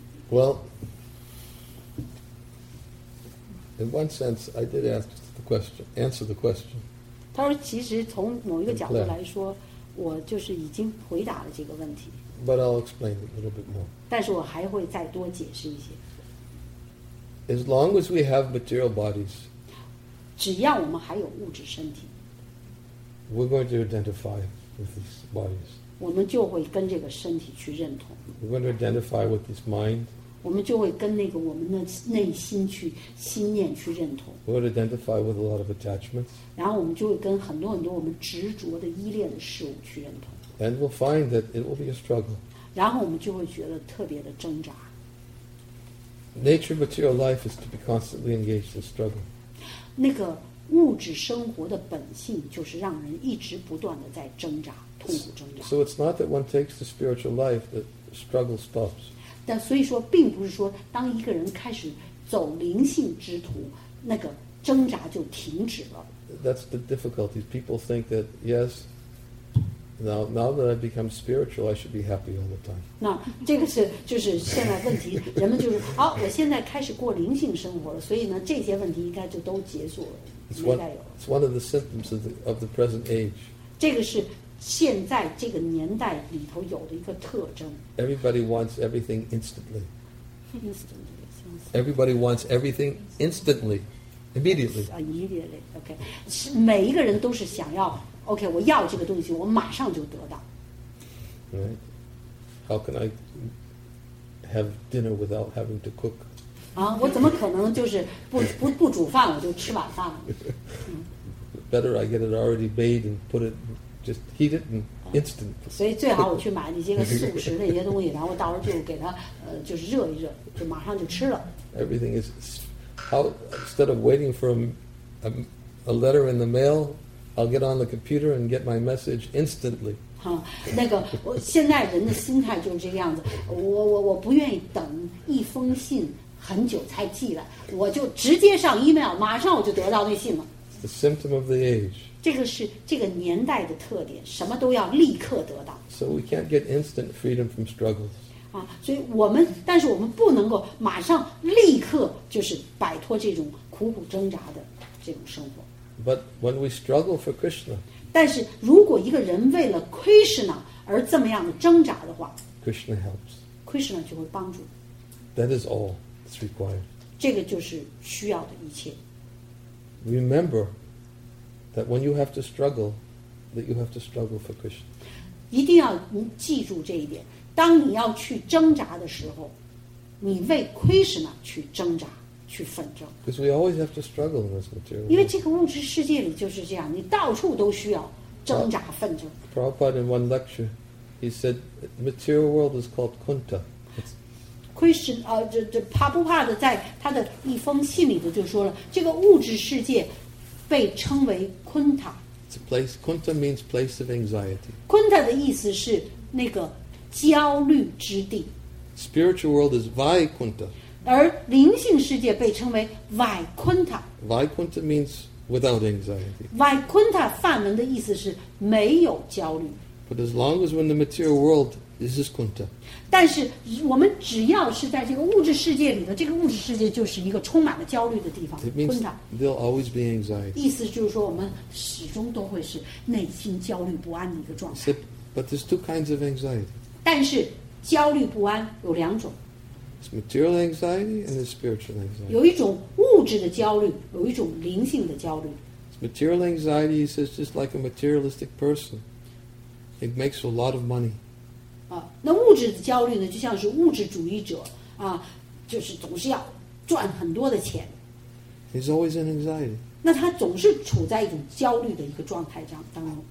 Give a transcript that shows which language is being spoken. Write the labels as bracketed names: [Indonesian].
[English] Well, in one sense, I did answer the question. [Chinese] 他说，其实从某一个角度来说，我就是已经回答了这个问题。 [English] But I'll explain a little bit more. [Chinese] 但是我还会再多解释一些。 [English] As long as we have material bodies, [Chinese] 只要我们还有物质身体， [English] we're going to identify with these bodies. [Chinese] 我们就会跟这个身体去认同。 [English] We're going to identify with this mind. [Chinese] 我们就会跟那个我们的内心去心念去认同。 [English] We're going to identify with a lot of attachments. [Chinese] 然后我们就会跟很多很多我们执着的依恋的事物去认同。 [English] And we'll find that it will be a struggle. [Chinese] 然后我们就会觉得特别的挣扎。 [English] Nature of material life is to be constantly engaged in struggle. [Chinese] 那个物质生活的本性就是让人一直不断的在挣扎，痛苦挣扎。 [English] So it's not that one takes the spiritual life that struggle stops. [Chinese] 但所以说，并不是说当一个人开始走灵性之途，那个挣扎就停止了。 [English] That's the difficulty. People think that yes. Now that I've become spiritual, I should be happy all the time. [Chinese] 那这个是就是现在问题，人们就是好，我现在开始过灵性生活了，所以呢，这些问题应该就都结束了，没再有了。 [English] It's one of the symptoms of the present age. [Chinese] 这个是现在这个年代里头有的一个特征。 [English] Everybody wants everything instantly. Instantly. Everybody wants everything instantly, immediately. Immediately. Okay. [Chinese] 是每一个人都是想要。 OK, 我要这个东西，我马上就得到。 [English] Right. How can I have dinner without having to cook? [Chinese] 啊，我怎么可能就是不煮饭我就吃晚饭了？ [English] Better I get it already made and put it, just heat it and instant. [Chinese] 所以最好我去买那些个速食那些东西，然后到时候就给它就是热一热，就马上就吃了。 [English] Everything is how instead of waiting for a letter in the mail. I'll get on the computer and get my message instantly. [Chinese] 那个我现在人的心态就是这个样子，我不愿意等一封信很久才寄来，我就直接上 email， 马上我就得到那信了。 [English] It's the symptom of the age. [Chinese] 这个是这个年代的特点，什么都要立刻得到。 [English] So we can't get instant freedom from struggles. [Chinese] 所以我们但是我们不能够马上立刻就是摆脱这种苦苦挣扎的这种生活。 [English] But when we struggle for Krishna, [Chinese] 但是如果一个人为了 Krishna 而这么样的挣扎的话， [English] Krishna helps. [Chinese] Krishna 就会帮助。 [English] That is all that's required. [Chinese] 这个就是需要的一切。 [English] Remember that when you have to struggle, that you have to struggle for Krishna. [Chinese] 一定要记住这一点。当你要去挣扎的时候，你为 Krishna 去挣扎。 [English] Because we always have to struggle in this material. [Chinese] 因为这个物质世界里就是这样，你到处都需要挣扎奋斗。 [English] Prabhupada in one lecture, he said, material world is called Kunta. [Chinese] Christian, 帕布帕德在他的一封信里头就说了，这个物质世界被称为 Kunta. [English] It's a place. Kunta means place of anxiety. [Chinese] Kunta 的意思是那个焦虑之地。 [English] Spiritual world is Vaikunta. [Chinese] 而灵性世界被称为 Vaikunta. [English] Vaikunta means without anxiety. [Chinese] Vaikunta 梵文的意思是没有焦虑。 [English] But as long as we're in the material world, this is Kunta. [Chinese] 但是我们只要是在这个物质世界里头，这个物质世界就是一个充满了焦虑的地方。 [English] It means there'll always be anxiety. [Chinese] 意思就是说，我们始终都会是内心焦虑不安的一个状态。 [English] But there's two kinds of anxiety. [Chinese] 但是焦虑不安有两种。 [English] It's material anxiety and it's spiritual anxiety. [Chinese] 有一种物质的焦虑，有一种灵性的焦虑。 [English] It's material anxiety, he says, just like a materialistic person. It makes a lot of money. [Chinese] 那物质的焦虑呢，就像是物质主义者啊，就是总是要赚很多的钱。 [English] He's always in anxiety. [Chinese] 那他总是处在一种焦虑的一个状态当中。